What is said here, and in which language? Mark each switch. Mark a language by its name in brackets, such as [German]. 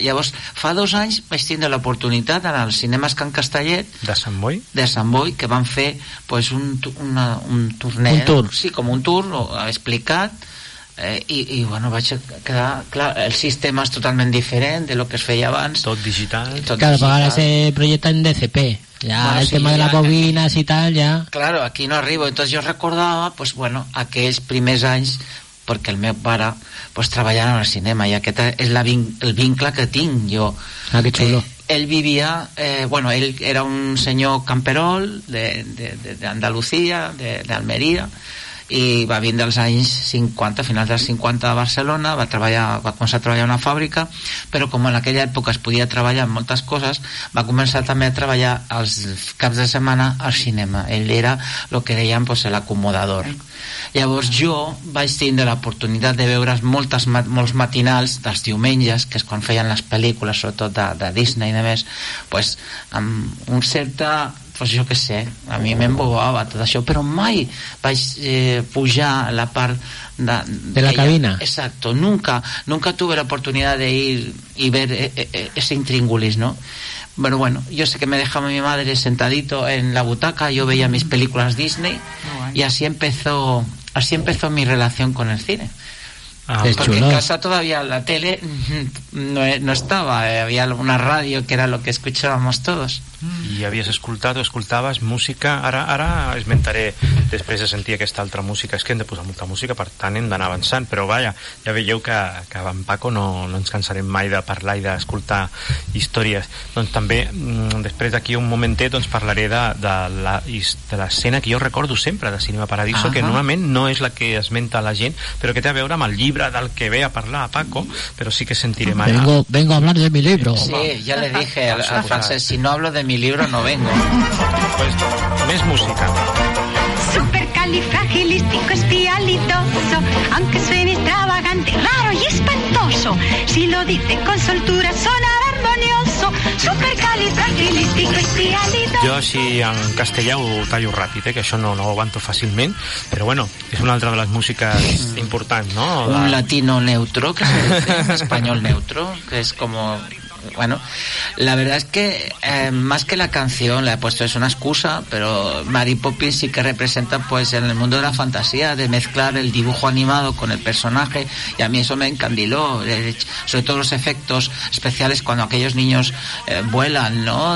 [Catalan] Llavors, fa 2 anys vaig tindre l'oportunitat d'anar als cinemes Can Castellet. De Sant Boi? De Sant Boi, que van fer pues, un torneig. Un tour. Sí, com un tour, ho ha explicat. I bueno, vaig quedar clar, el sistema és totalment diferent de lo que es feia abans, tot digital. Claro, però ara se projecta en DCP. [Spanish] Ya, bueno, el sí, tema ya, de las bobinas y tal, ya. [Catalan] Claro, aquí no arribo, entonces yo recordava, pues bueno, aquells primers anys perquè el meu pare pues treballava en el cinema i aquest és el vincle que tinc jo. [Spanish] Ah, qué chulo. [Catalan] Ell vivia, bueno, ell era un senyor camperol de Andalucía, de Almería. i va vindre als anys 50, finals dels 50 a Barcelona, va començar a treballar a una fàbrica, però com en aquella època es podia treballar en moltes coses, va començar també a treballar els caps de setmana al cinema. Ell era el que deien pues, l'acomodador. Llavors jo vaig tindre l'oportunitat de veure molts matinals dels diumenges, que és quan feien les pel·lícules, sobretot de Disney i demés, pues, amb un cert... Pues jo què sé, a mi m'embobava tot això, però mai vaig pujar a la part de la cabina. [Spanish] Exacto, nunca tuve la oportunidad de ir y ver ese intríngulis, ¿no? Pero bueno, yo sé que me dejaba mi madre sentadito en la butaca, yo veía mis películas Disney y así empezó mi relación con el cine. Ah, porque chulo. En casa todavía la tele no estaba, había una radio que era lo que escuchábamos todos. [Catalan] I havies escoltat o escoltaves música, ara esmentaré després de sentir aquesta altra música, és que hem de posar molta música, per tant hem d'anar avançant, però vaja, ja veieu que amb Paco no ens cansarem mai de parlar i d'escoltar històries. Doncs també, després d'aquí un momentet, doncs parlaré de l'escena que jo recordo sempre de Cinema Paradiso, que normalment no és la que esmenta la gent, però que té a veure amb el llibre del que ve a parlar a Paco, però sí que sentirem ara. [Spanish] Vengo a hablar de mi libro. Sí, ja le dije al francés, si no hablo de mi libro no vengo. Pues, más música. Supercalifragilisticoespialidoso, aunque suene extravagante, raro y espantoso, si lo dice con soltura sonará armonioso. Supercalifragilisticoespialidoso. Yo así [Catalan] en castellà ho tallo ràpid, que això no ho aguanto fàcilment, però bueno, és una altra de les músiques importants, no? [Spanish] Un latino neutro, que es dice, español neutro, que es como... Bueno, la verdad es que más que la canción, la he puesto es una excusa, pero Mary Poppins sí que representa pues en el mundo de la fantasía, de mezclar el dibujo animado con el personaje, y a mí eso me encandiló, sobre todo los efectos especiales cuando aquellos niños vuelan, ¿no?